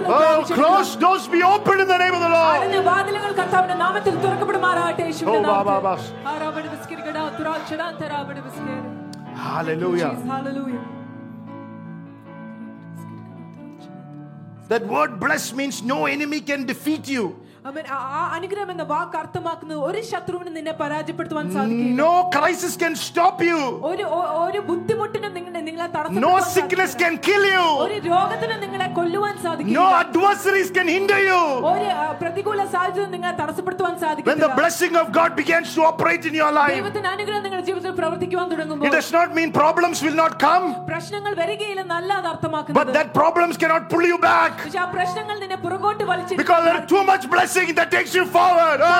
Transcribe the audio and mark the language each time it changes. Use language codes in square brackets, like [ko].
[en] Oh, closed doors be opened in the name of the Lord. Oh, Baba, Baba. Hallelujah. That word bless means no enemy can defeat you. [ml] അനുഗ്രഹം എന്ന വാക്ക് അർത്ഥമാക്കുന്നത് ഒരു ശത്രുവിനെ നിന്നെ പരാജയപ്പെടുത്താൻ സാധിക്കില്ല. [en] No crisis can stop you. [ml] ഒരു ബുദ്ധിമുട്ടിനും നിങ്ങളെ തടസ്സം. [en] No sickness can kill you. [ml] ഒരു രോഗത്തിനും നിങ്ങളെ കൊല്ലുവാൻ സാധിക്കില്ല. [en] No adversaries can hinder you. [ml] ഒരു പ്രതികൂല സാഹചര്യം നിങ്ങളെ തടസ്സപ്പെടുത്താൻ സാധിക്കില്ല. [en] When the blessing of God begins to operate in your life. [ml] ദൈവത്തിന്റെ അനുഗ്രഹം നിങ്ങളുടെ ജീവിതത്തിൽ പ്രവർത്തിക്കാൻ തുടങ്ങുമ്പോൾ. [en] It does not mean problems will not come. [ml] പ്രശ്നങ്ങൾ വരികയില്ലെന്നല്ല അത് അർത്ഥമാക്കുന്നത്. [en] But that problems cannot pull you back. [ml] ആ പ്രശ്നങ്ങൾ നിന്നെ പുറകോട്ട് വലിച്ചെടുക്കില്ല. [en] Because there are too much blessing that takes you forward.